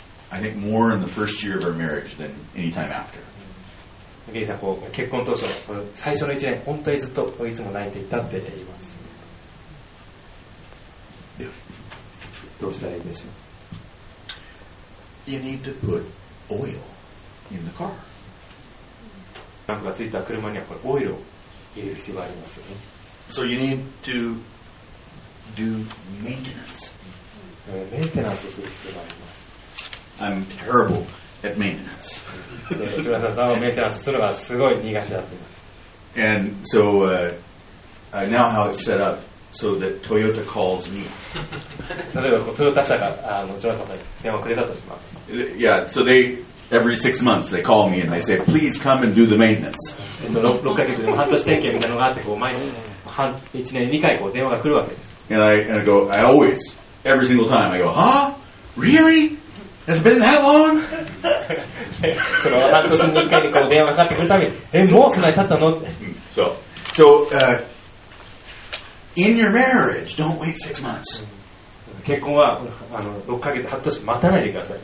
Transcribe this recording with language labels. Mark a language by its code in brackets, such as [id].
[en] I think more in the first year of our marriage than any time after. [ja] ゲイさん、こう結婚当初の最初の1年、本当にずっといつも泣いていたって言います。どうしたらいいでしょう。 [en] you need to put oil in the car. [ja] ランプがついた車にはこれオイルを入れる必要がありますよね。 [en] So you need to do maintenance. [ja] メンテナンスをする必要があります。 [en] I'm terrible at maintenance. [ja] ジョナサンさんはメンテナンスするのがすごい苦手だと思います。 [en] And so, now how it's set up so that Toyota calls me. [ja] 例えばトヨタ社があのジョナサンさんに電話くれたとします。 [en] Yeah, so they... Every six months they call me and they say, please come and do the maintenance. [ja] 6ヶ月でも半年点検みたいなのがあって、毎年1年2回こう電話が来るわけです。 [en] And I go, I always, every single time, I go, huh? Really? Has it been that long? [ja] その半年に1回にこう電話がかかってくるために、え、もうそんなに経ったのって。 [en] So, in your marriage, don't wait six months. [ja] 結婚はあの6ヶ月半年待たないでください。